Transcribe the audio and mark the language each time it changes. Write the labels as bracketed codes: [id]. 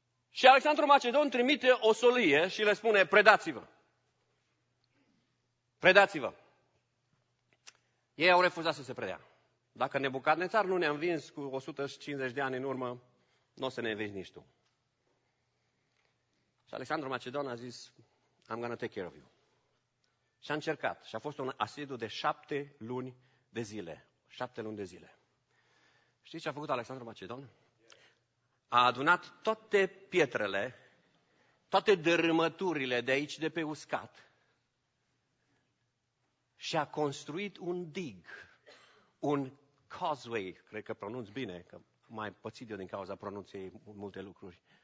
[ro] Și Alexandru Macedon trimite o solie și le spune, predați-vă. Predați-vă. Ei au refuzat să se predea. Dacă Nebucadnețar nu ne-a învins cu 150 de ani în urmă, nu o să ne învinzi nici tu. Și Alexandru Macedon a zis, [en] I'm gonna take care of you. [ro] Și a încercat. Și a fost un asediu de 7 luni de zile. 7 luni de zile. Știți ce a făcut Alexandru Macedon? A adunat toate pietrele, toate dărâmăturile de aici, de pe uscat, și a construit un dig, un causeway, cred că pronunț bine, că mai pățit eu din cauza pronunției multe lucruri.